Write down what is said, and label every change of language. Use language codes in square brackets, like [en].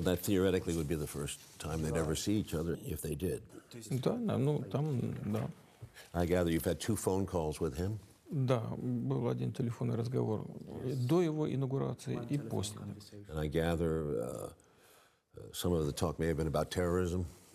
[en] ли. So that theoretically would be the first time they'd ever see each other, if they did. [ru] Да, ну, там, да. [en] I gather you've had two phone calls with him? [ru] Да, был один телефонный разговор до его инаугурации и после. [en] And I gather some of the talk may have been about terrorism?